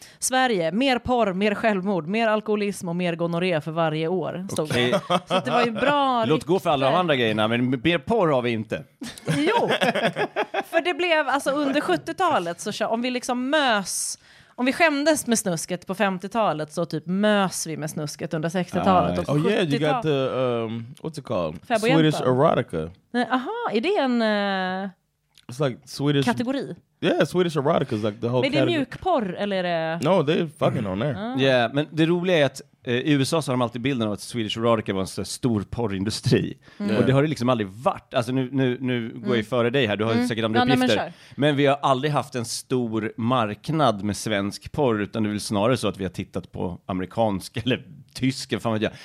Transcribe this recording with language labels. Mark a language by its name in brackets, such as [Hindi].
[Swedish] Sverige, mer porr, mer självmord, mer alkoholism och mer gonorré för varje år, stod det. Så det var ju bra. Låt gå för alla de andra grejerna, men mer porr har vi inte. Jo, för det blev, alltså under 70-talet, så om vi liksom om vi skämdes med snusket på 50-talet, så typ mös vi med snusket under 60-talet. [English] Oh yeah, you got the, what's it called? Fäbojenta. Swedish erotica. [Swedish] Aha, är det en [English] it's like Swedish [Swedish] kategori? [English] Yeah, Swedish erotica is like the whole category. [Swedish] Men är det mjukporr, eller är det [English] no, they're fucking on there. [Swedish] Yeah, men det roliga är att I USA så har de alltid bilden av att Swedish Erotica var en stor porrindustri. Mm. Och det har det liksom aldrig varit. Alltså nu går jag före dig här, du har säkert andra uppgifter. Men vi har aldrig haft en stor marknad med svensk porr, utan det är väl snarare så att vi har tittat på amerikansk eller tysk. Fan vad jag.